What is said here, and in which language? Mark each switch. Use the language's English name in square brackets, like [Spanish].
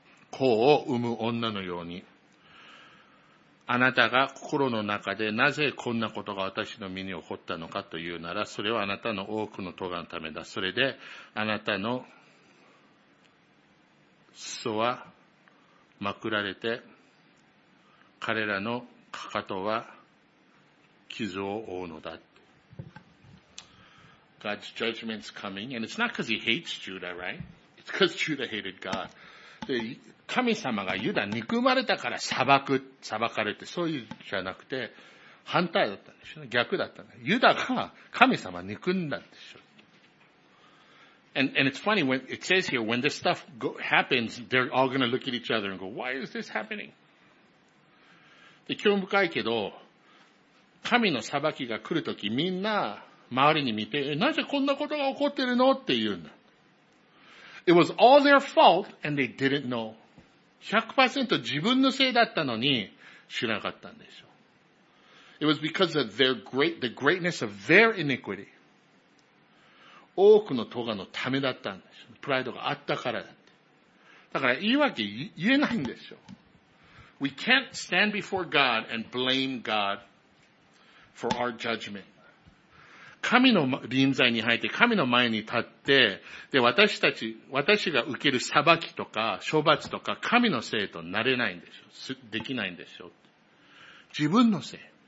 [Japanese] 子を産む女のように。あなたが心の中でなぜこんなことが私の身に起こったのかというなら、それはあなたの多くの咎のためだ。それで、あなたの裾はまくられて、彼らのかかとは傷を負うのだ。 [English] God's judgment's coming, and it's not because he hates Judah, right? It's because Judah hated God. [Japanese] で、神様がユダ憎まれたから裁かれて、そういうじゃなくて、反対だったんでしょ、逆だったんだ。ユダが神様憎んだんでしょ。 [English] And it's funny, when it says here, when this stuff happens, they're all going to look at each other and go, why is this happening? [Japanese] で、興味深いけど、神の裁きが来るとき、みんな、周りに見て、なぜこんなことが起こってるのって言うんだ。 [English] It was all their fault and they didn't know. [Japanese] 100% 自分のせいだったのに知らなかったんでしょう。 [English] It was because of the greatness of their iniquity. [Japanese] 多くの咎のためだったんでしょう。プライドがあったからだって。だから言い訳言えないんでしょう。 [English] We can't stand before God and blame God for our judgment. [Japanese] 神の臨在に入って、神の前に立って、で、私が受ける裁きとか、処罰とか、神のせいとなれないんでしょう。できないんでしょう。自分のせい。